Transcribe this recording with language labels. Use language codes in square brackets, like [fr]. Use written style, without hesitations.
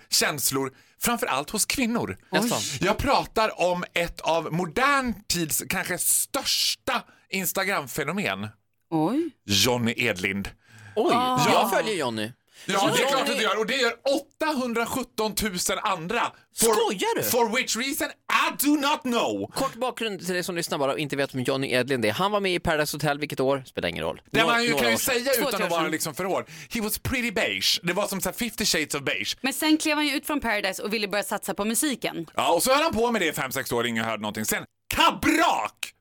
[sv] känslor, framförallt hos kvinnor. Jag pratar om ett av modern tids kanske största Instagram-fenomen. Oj. Johnny Edlind. Oj, jag följer Johnny. Ja, det är klart att du gör. Och det gör 817 000 andra. Skojar du? [en] For which reason I do not know. [sv] Kort bakgrund till dig som lyssnar bara och inte vet om Johnny Edlind är. Han var med i Paradise Hotel, vilket år? Spelar ingen roll. Det man ju kan ju säga utan att vara liksom förhåll. [en] He was pretty beige. [sv] Det var som 50 [en] shades of beige. [sv] Men sen klev han ju ut från Paradise och ville börja satsa på musiken. Ja, och så höll han på med det 5-6 år. Ingen hörde någonting. Sen kabrak!